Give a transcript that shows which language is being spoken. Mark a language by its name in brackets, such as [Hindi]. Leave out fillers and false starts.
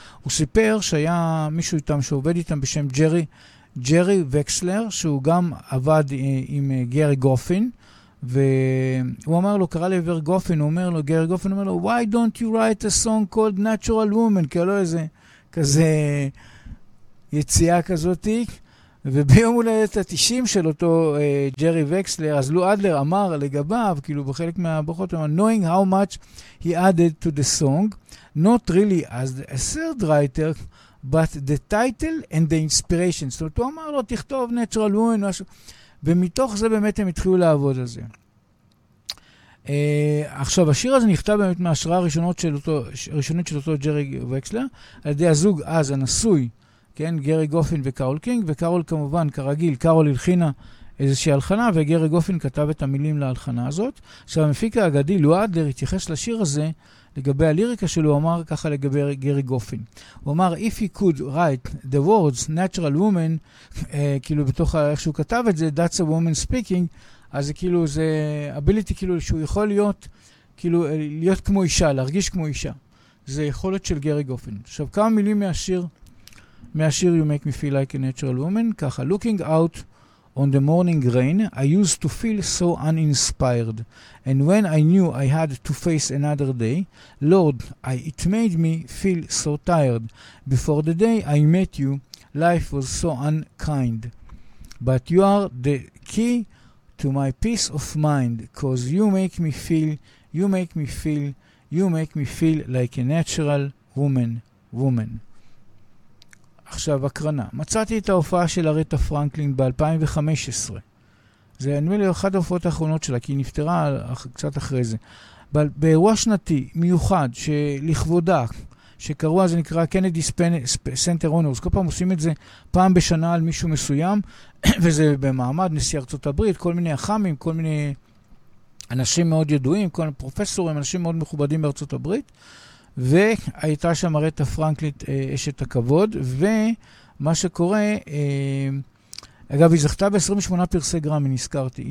[Hebrew] הוא סיפר שהיה מישהו איתם שעובד איתם בשם ג'רי וקסלר, שהוא גם עבד עם גרי גופין, והוא אמר לו, קרא לעבר גופן, הוא אומר לו, גרי גופן אומר לו, [English] why don't you write a song called Natural Woman? [Hebrew] כי לא איזה כזה יציאה כזאת. וביום הולדת ה-90 של אותו ג'רי וקסלר, אז לו אדלר אמר לגביו, כאילו בחלק מהבוחות, אמר, [English] knowing how much he added to the song, not really as a third writer, but the title and the inspiration. [Hebrew] זאת אומרת, הוא אמר לו, תכתוב Natural Woman, משהו... ומתוך זה באמת הם התחילו לעבוד על זה. עכשיו, השיר הזה נכתב באמת מהשראה הראשונית של אותו ג'רי וקסלר, על ידי הזוג אז הנשוי, כן, גרי גופין וקרול קינג, וקרול כמובן, כרגיל, קרול הלחינה איזושהי הלחנה, וגרי גופין כתב את המילים להלחנה הזאת. עכשיו, המפיק האגדי, לו אדלר, התייחס לשיר הזה, לגבי הליריקה שלו, הוא אמר ככה לגבי גרי גופין. הוא אמר, [English] if he could write the words natural woman, [Hebrew] כאילו בתוך איך שהוא כתב את זה, [English] that's a woman speaking, [Hebrew] אז זה כאילו, זה ability כאילו שהוא יכול להיות, כאילו להיות כמו אישה, להרגיש כמו אישה. זה יכולת של גרי גופין. עכשיו, כמה מילים מהשיר [English] you make me feel like a natural woman, [Hebrew] ככה, [English] looking out on the morning rain, I used to feel so uninspired. And when I knew I had to face another day, Lord, it made me feel so tired. Before the day I met you, life was so unkind. But you are the key to my peace of mind, because you make me feel like a natural woman. [Hebrew] עכשיו, הקרנה. מצאתי את ההופעה של הרטה פרנקלין ב-2015. זה אחת ההופעות האחרונות שלה, כי היא נפטרה קצת אחרי זה. באירוע שנתי מיוחד שלכבודה, שקראו, זה נקרא Kennedy Center Honors, כל פעם עושים את זה פעם בשנה על מישהו מסוים, וזה במעמד נשיא ארצות הברית, כל מיני אחמים, כל מיני אנשים מאוד ידועים, כל מיני פרופסורים, אנשים מאוד מכובדים בארצות הברית, והייתה שם הרטה פרנקלין אשת הכבוד, ומה שקורה, אגב, היא זכתה ב-28 פרסי גרמי, נזכרתי.